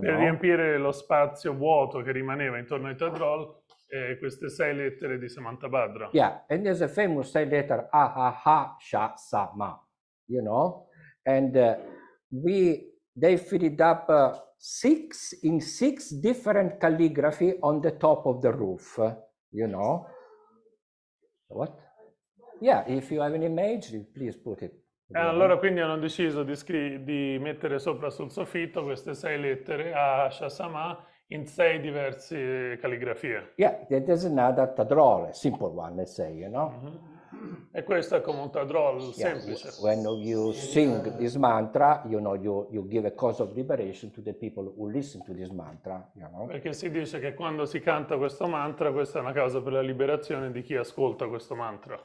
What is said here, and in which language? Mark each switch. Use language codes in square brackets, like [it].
[it] Per riempire lo spazio vuoto che rimaneva intorno ai tadrol, queste sei lettere di Samantha Badra. [en] Yeah, and there's a famous [it] sei [en] letter A-ha-ha-sha-sa-ma, you know? And they fill it up six different calligraphy on the top of the roof, you know? What? Yeah, if you have an image, please put it. [it] Allora, quindi hanno deciso di mettere sopra sul soffitto queste sei lettere a Shasama in sei diverse calligrafie. [en] Yeah, that is another tadrol, a simple one, let's say, you know? [it] Mm-hmm. E questo è come un tadrol semplice. [en] When you sing this mantra, you know, you give a cause of liberation to the people who listen to this mantra, you know? [it] Perché si dice che quando si canta questo mantra, questa è una causa per la liberazione di chi ascolta questo mantra.